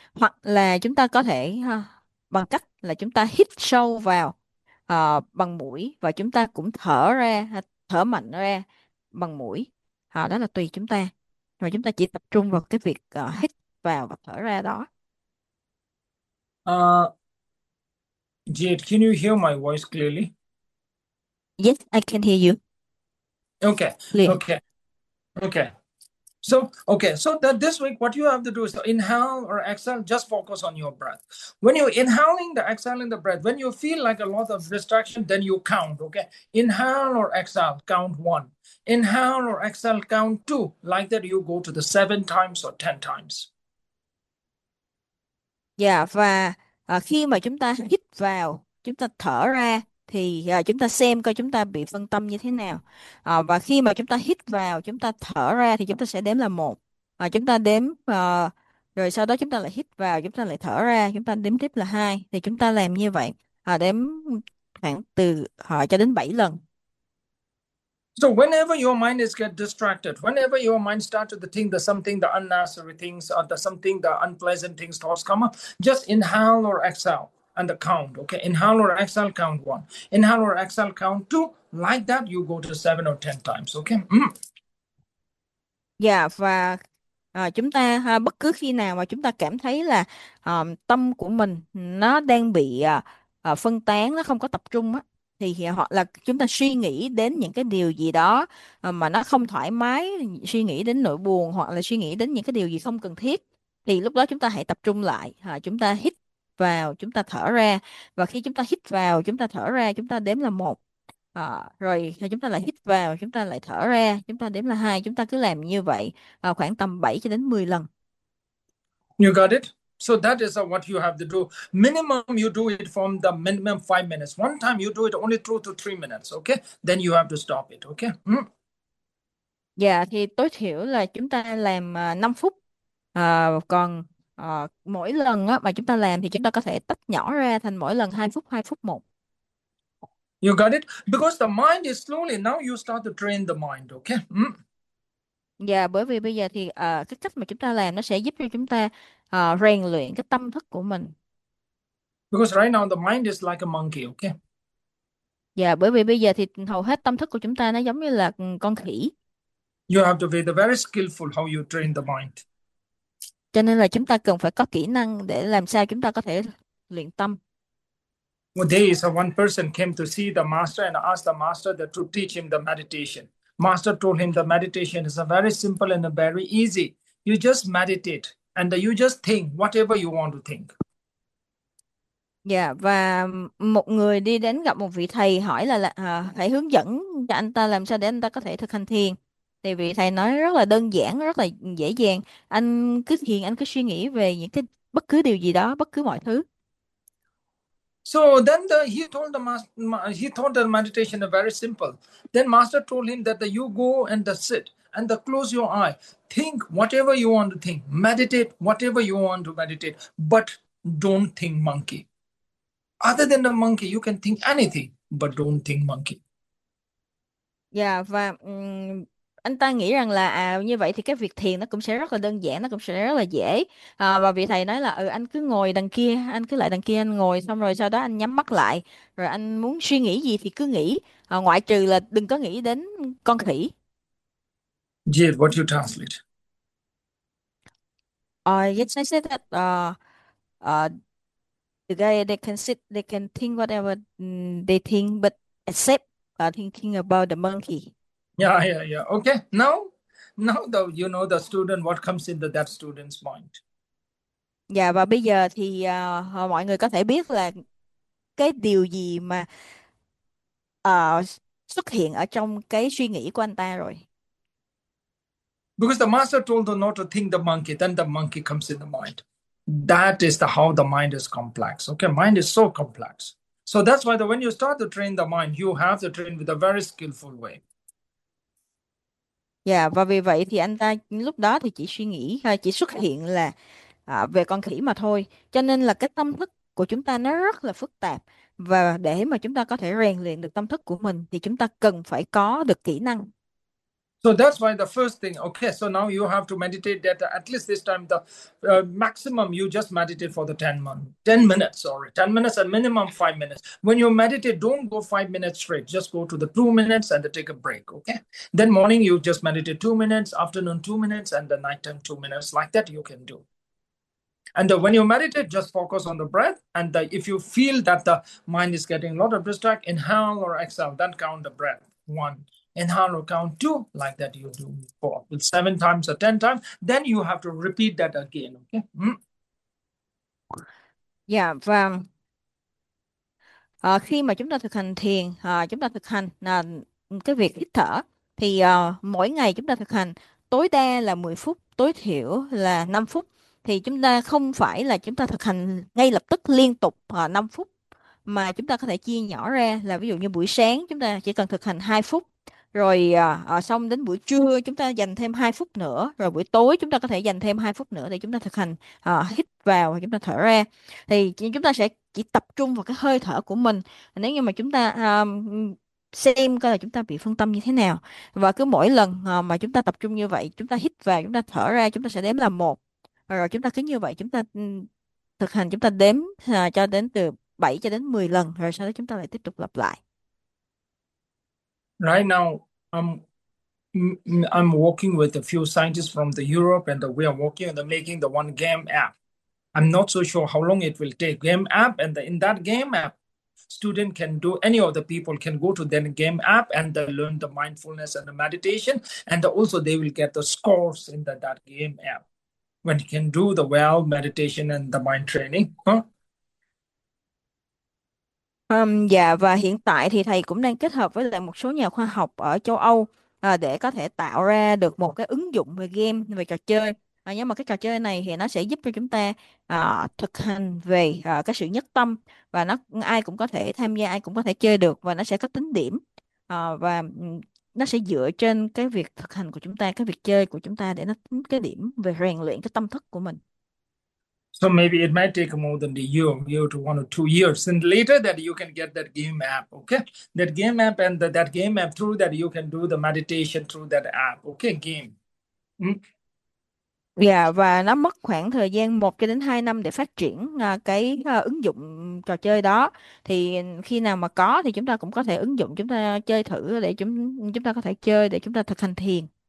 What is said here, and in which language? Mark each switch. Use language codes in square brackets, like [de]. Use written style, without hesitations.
[vi] Hoặc là chúng ta có thể bằng cách là chúng ta hít sâu vào bằng mũi và chúng ta cũng thở ra, thở mạnh ra bằng mũi. Đó là tùy chúng ta. Rồi chúng ta chỉ tập trung vào cái việc hít vào và thở ra đó. [en] Jade, can you hear my voice clearly? Yes, I can hear you. Okay, Clear. okay, okay. So, okay, so that this week, what you have to do is to inhale or exhale, just focus on your breath. When you're inhaling the exhaling the breath, when you feel like a lot of distraction, then you count, okay? Inhale or exhale, count one. Inhale or exhale, count two. Like that, you go to the 7 times or 10 times. [vi] Dạ, và khi mà chúng ta hít vào, chúng ta thở ra thì chúng ta xem coi chúng ta bị phân tâm như thế nào. Và khi mà chúng ta hít vào, chúng ta thở ra thì chúng ta sẽ đếm là một. Chúng ta đếm rồi sau đó chúng ta lại hít vào, chúng ta lại thở ra, chúng ta đếm tiếp là hai. Thì chúng ta làm như vậy, đếm khoảng từ cho đến 7 lần. [en] So whenever your mind is get distracted, whenever your mind start to think the something, the unnecessary things, or the something, the unpleasant things, thoughts come up, just inhale or exhale and the count. Okay, inhale or exhale, count one. Inhale or exhale, count two. Like that, you go to 7 or 10 times. Okay. [vi] Dạ, và chúng ta bất cứ khi nào mà chúng ta cảm thấy là tâm của mình nó đang bị phân tán, nó không có tập trung á, thì hoặc là chúng ta suy nghĩ đến những cái điều gì đó mà nó không thoải mái, suy nghĩ đến nỗi buồn hoặc là suy nghĩ đến những cái điều gì không cần thiết, thì lúc đó chúng ta hãy tập trung lại, chúng ta hít vào, chúng ta thở ra, và khi chúng ta hít vào, chúng ta thở ra, chúng ta đếm là một. Rồi chúng ta lại hít vào, chúng ta lại thở ra, chúng ta đếm là hai, chúng ta cứ làm như vậy khoảng tầm 7 cho đến 10 lần. [en] You got it? So that is what you have to do. Minimum, you do it from the minimum 5 minutes. One time, you do it only 2 to 3 minutes. Okay? Then you have to stop it. Okay? [vi] Dạ, thì tối thiểu là chúng ta làm 5 phút. Còn mỗi lần á, mà chúng ta làm thì chúng ta có thể tách nhỏ ra thành mỗi lần 2 phút, 2 phút 1. [en] You got it? Because the mind is slowly, now you start to train the mind. Okay? [vi] Và bởi vì bây giờ thì cái cách mà chúng ta làm nó sẽ giúp cho chúng ta rèn luyện cái tâm thức của mình. [en] Because right now the mind is like a monkey, okay? [vi] Và bởi vì bây giờ thì hầu hết tâm thức của chúng ta nó giống như là con khỉ. [en] You have to be the very skillful how you train the mind. [vi] Cho nên là chúng ta cần phải có kỹ năng để làm sao chúng ta có thể luyện tâm. [en] One day is one person came to see the master and asked the master that to teach him the meditation. Master told him the meditation is a very simple and a very easy. You just meditate and you just think whatever you want to think. [vi] Dạ, và một người đi đến gặp một vị thầy hỏi là phải hướng dẫn cho anh ta làm sao để anh ta có thể thực hành thiền. Thì vị thầy nói rất là đơn giản, rất là dễ dàng. Anh cứ thiền, anh cứ suy nghĩ về những cái bất cứ điều gì đó, bất cứ mọi thứ. [en] So then he taught the meditation very simple. Then master told him that you go and sit and close your eye. Think whatever you want to think. Meditate whatever you want to meditate. But don't think monkey. Other than the monkey, you can think anything, but don't think monkey. [vi] Dạ, và anh ta nghĩ rằng là như vậy thì cái việc thiền nó cũng sẽ rất là đơn giản, nó cũng sẽ rất là dễ. Và vị thầy nói là anh cứ ngồi đằng kia, anh cứ lại đằng kia anh ngồi, xong rồi sau đó anh nhắm mắt lại, rồi anh muốn suy nghĩ gì thì cứ nghĩ, ngoại trừ là đừng có nghĩ đến con khỉ. [en] Jade, what you translate? Yes, I said that the guy, they can think whatever they think, but except thinking about the monkey. Yeah. Okay. Now, though, you know the student, what comes into that student's mind? [vi] Dạ, và bây giờ thì mọi người có thể biết là cái điều gì mà xuất hiện ở trong cái suy nghĩ của anh ta rồi. [en] Because the master told them not to think the monkey, then the monkey comes in the mind. That is the how the mind is complex. Okay, mind is so complex. So that's why when you start to train the mind, you have to train with a very skillful way. [vi] Dạ, và vì vậy thì anh ta lúc đó thì chỉ suy nghĩ thôi, chỉ xuất hiện là về con khỉ mà thôi. Cho nên là cái tâm thức của chúng ta nó rất là phức tạp. Và để mà chúng ta có thể rèn luyện được tâm thức của mình thì chúng ta cần phải có được kỹ năng. [en] So that's why the first thing, okay, so now you have to meditate that at least this time the maximum you just meditate for the 10 minutes, sorry, 10 minutes and minimum 5 minutes. When you meditate, don't go 5 minutes straight. Just go to the 2 minutes and take a break, okay? Then morning you just meditate 2 minutes, afternoon 2 minutes, and the nighttime 2 minutes. Like that you can do. And when you meditate, just focus on the breath. And if you feel that the mind is getting a lot of distract, inhale or exhale, then count the breath. one and Hanro count two, like that you do before, with 7 times or 10 times, then you have to repeat that again, okay? [vi] Yeah, và khi mà chúng ta thực hành thiền, chúng ta thực hành cái việc hít thở, thì mỗi ngày chúng ta thực hành tối đa là 10 phút, tối thiểu là 5 phút. Thì chúng ta không phải là chúng ta thực hành ngay lập tức liên tục 5 phút, mà chúng ta có thể chia nhỏ ra, là ví dụ như buổi sáng chúng ta chỉ cần thực hành 2 phút, rồi xong đến buổi trưa chúng ta dành thêm 2 phút nữa, rồi buổi tối chúng ta có thể dành thêm 2 phút nữa để chúng ta thực hành hít vào và chúng ta thở ra. Thì chúng ta sẽ chỉ tập trung vào cái hơi thở của mình nếu như mà chúng ta xem coi là chúng ta bị phân tâm như thế nào. Và cứ mỗi lần mà chúng ta tập trung như vậy, chúng ta hít vào, chúng ta thở ra, chúng ta sẽ đếm là một. Rồi chúng ta cứ như vậy, chúng ta thực hành, chúng ta đếm cho đến từ 7 cho đến 10 lần, rồi sau đó chúng ta lại tiếp tục lặp lại. [en] Right now, I'm working with a few scientists from the Europe, and we are working on making the one game app. I'm not so sure how long it will take. Game app, and in that game app, student can do, any of the people can go to the game app and they learn the mindfulness and the meditation, and also they will get the scores in that game app when you can do the well meditation and the mind training. [vi] Dạ, và hiện tại thì thầy cũng đang kết hợp với lại một số nhà khoa học ở châu Âu để có thể tạo ra được một cái ứng dụng về game, về trò chơi. Nhưng mà cái trò chơi này thì nó sẽ giúp cho chúng ta thực hành về cái sự nhất tâm, và nó ai cũng có thể tham gia, ai cũng có thể chơi được, và nó sẽ có tính điểm và nó sẽ dựa trên cái việc thực hành của chúng ta, cái việc chơi của chúng ta, để nó tính cái điểm về rèn luyện cái tâm thức của mình. [en] So maybe it might take more than a year to 1 or 2 years, and later that you can get that game app, okay? That game app, and that game app through that you can do the meditation through that app, okay? Game. [vi] Yeah, và nó mất khoảng thời gian 1 cho đến 2 năm để phát triển cái ứng dụng trò chơi đó. Thì khi nào mà có thì chúng ta cũng có thể ứng dụng, chúng ta chơi thử để chúng ta có thể chơi để chúng ta thực hành thiền.